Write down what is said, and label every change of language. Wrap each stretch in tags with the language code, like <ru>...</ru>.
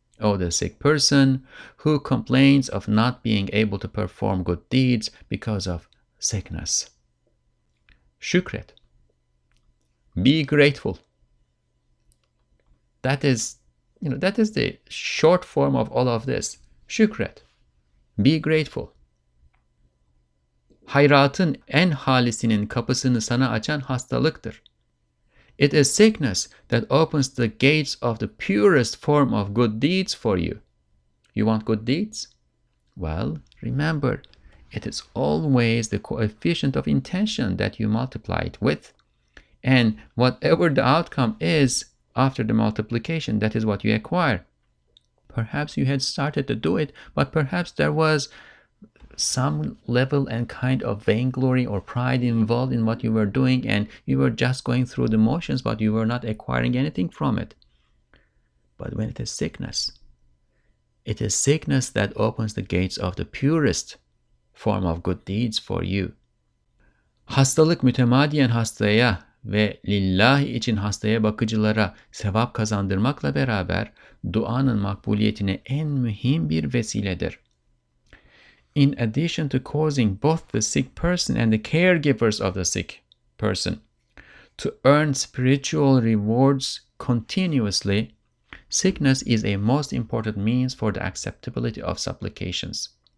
<en>Oh, the sick person who complains of not being able to perform good deeds because of sickness. Shukret. Be grateful. That is, you know, that is the short form of all of this. Shukret. Be grateful.</en> <tr>Hayratın en halisinin kapısını sana açan hastalıktır.</tr> <en>It is sickness that opens the gates of the purest form of good deeds for you. You want good deeds? Well, remember, it is always the coefficient of intention that you multiply it with. And whatever the outcome is, after the multiplication, that is what you acquire. Perhaps you had started to do it, but perhaps there was some level and kind of vainglory or pride involved in what you were doing, and you were just going through the motions, but you were not acquiring anything from it. But when it is sickness that opens the gates of the purest form of good deeds for you.</en> <tr>Hastalık mütemadiyen hastaya ve lillahi için hastaya bakıcılara sevap kazandırmakla beraber duanın makbuliyetine en mühim bir vesiledir.</tr> <en>In addition to causing both the sick person and the caregivers of the sick person to earn spiritual rewards continuously, sickness is a most important means for the acceptability of supplications.</en>